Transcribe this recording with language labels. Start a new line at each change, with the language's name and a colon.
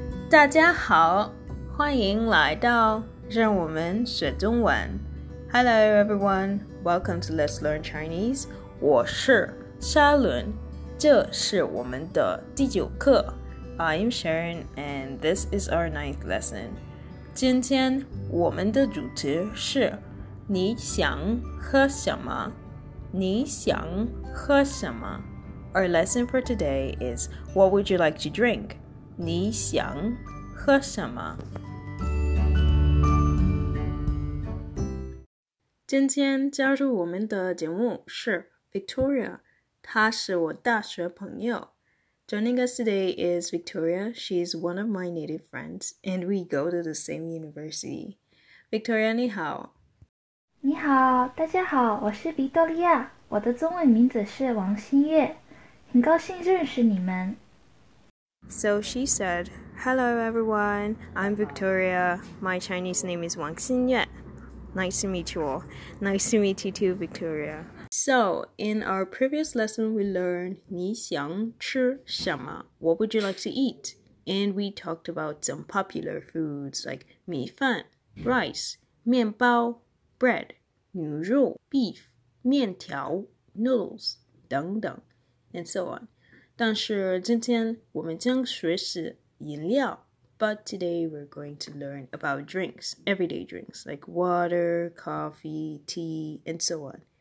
Chinese: 大家好，欢迎来到让我们学中文。
English: Hello everyone, welcome to Let's Learn Chinese.
Chinese: 我是沙伦，这是我们的第九课。
English: I'm Sharon, and this is our ninth lesson.
Chinese: 今天我们的主题是你想喝什么？你想喝什么？
English: Our lesson for today is What would you like to drink?
Chinese: 你想喝什么？今天加入我们的节目是 Victoria， 她是我大学朋友。
English: Joining us today is Victoria. She is one of my native friends, and we go to the same university.
Chinese: Victoria, 你好。你好，大家好，我是维多利亚，我的中文名字是王新月，很高兴认识你们。
English: So she said, "Hello, everyone. I'm Victoria. My Chinese name is Wang Xinyue. Nice to meet you all. Nice to meet you too, Victoria." So in our previous lesson, we learned
Chinese: 你想吃什么?
English: What would you like to eat? And we talked about some popular foods like 米饭, rice, 面包, bread, 牛肉, beef, 面条, noodles, 等等, and so on.
Chinese: 但是今天我们将学习饮料。
English: But today we're going to learn about drinks, everyday drinks, like water, coffee, tea, and so on.